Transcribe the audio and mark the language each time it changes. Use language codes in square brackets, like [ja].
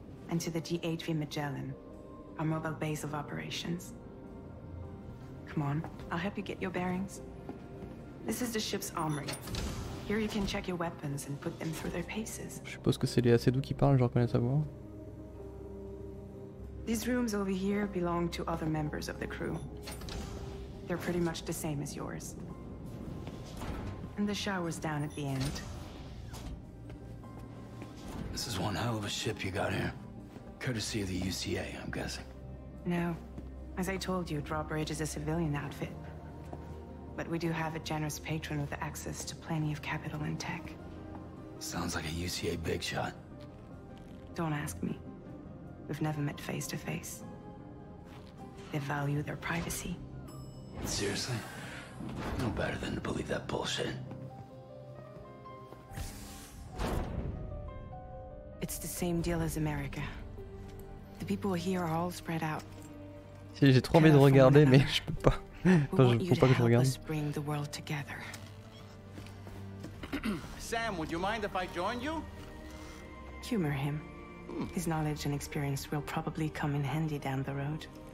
[en] And to the G8V Magellan, our mobile base of operations. Come on, I'll help you get your bearings. This is the ship's armory. Here you can check your weapons and put them through their paces. [fr] Je suppose que c'est les assez doux qui parlent, je reconnais sa voix. [en] These rooms over here belong to other members of the crew. They're pretty much the same as yours. And the shower's down at the end. This is one hell of a ship you got here. Courtesy of the UCA, I'm guessing. No. As I told you, Drawbridge is a civilian outfit. But we do have a generous patron with access to plenty of capital and tech. Sounds like a UCA big shot. Don't ask me. We've never met face to face. They value their privacy. Seriously? No better than to believe that bullshit. It's the same deal as America. The people here are all spread out. [fr] Si, j'ai trop envie de regarder, mais je peux pas. Enfin, je peux pas que je regarde. [en] Let's bring the world together. Sam, would you mind if I join you? Humor him. His knowledge and experience will probably come in handy down the road.